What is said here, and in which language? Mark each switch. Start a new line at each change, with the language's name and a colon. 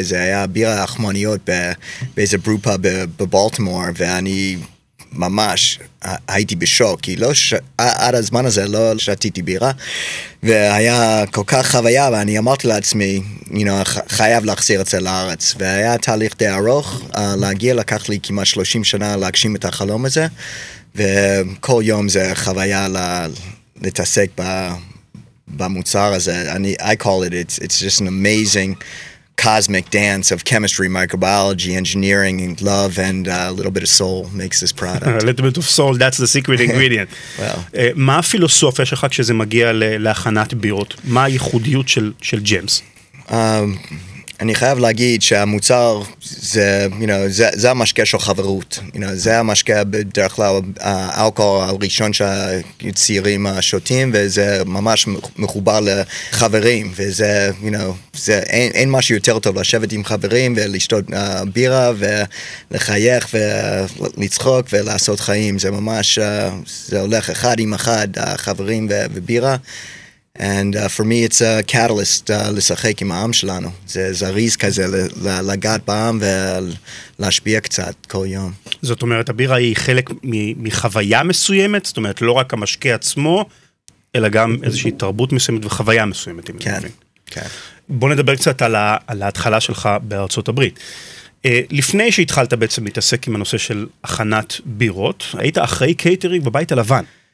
Hebrew: זה היה בירה אחמוניות באיזה ברופה בבולטימור, ואני ממש הייתי בשוק, כי לא עד הזמן הזה לא שתיתי בירה, והיה כל כך חוויה, ואני אמרתי לעצמי,
English: you know,
Hebrew: חייב להחזיר את זה לארץ, והיה תהליך די ארוך, להגיע לקח לי כמעט 30 שנה להגשים את החלום הזה, וכל יום זה חוויה להתעסק במוצר הזה.
English: I call it, it's just an amazing cosmic dance of chemistry, microbiology, engineering, and love, and a little bit of soul makes this product. A little bit of soul, that's the secret ingredient. Well.
Hebrew: מה הפילוסופיה שלך כשזה מגיע להכנת בירות? מה הייחודיות של ג'מס? אני חייב להגיד שהמוצר זה,
English: you know,
Hebrew: זה המשקה של חברות.
English: You know,
Hebrew: זה המשקה בדרך כלל האלכוהול הראשון שהצעירים שותים, וזה ממש מחובר לחברים, וזה,
English: you know,
Hebrew: זה, אין משהו יותר טוב לשבת עם חברים ולשתות בירה ולחייך ולצחוק ולעשות חיים. זה ממש, זה הולך אחד עם אחד, חברים ובירה.
English: And for me it's a catalyst
Hebrew: לשחק עם העם שלנו. זה זריז כזה לגעת בעם ולהשפיע קצת כל יום. זאת אומרת, הבירה היא חלק מחוויה מסוימת, זאת אומרת, לא רק המשקי עצמו, אלא גם איזושהי תרבות מסוימת וחוויה מסוימת. כן, בוא נדבר קצת על ההתחלה שלך בארצות הברית. לפני שהתחלת בעצם להתעסק עם הנושא של הכנת בירות, היית אחרי קייטרינג בבית הלבן.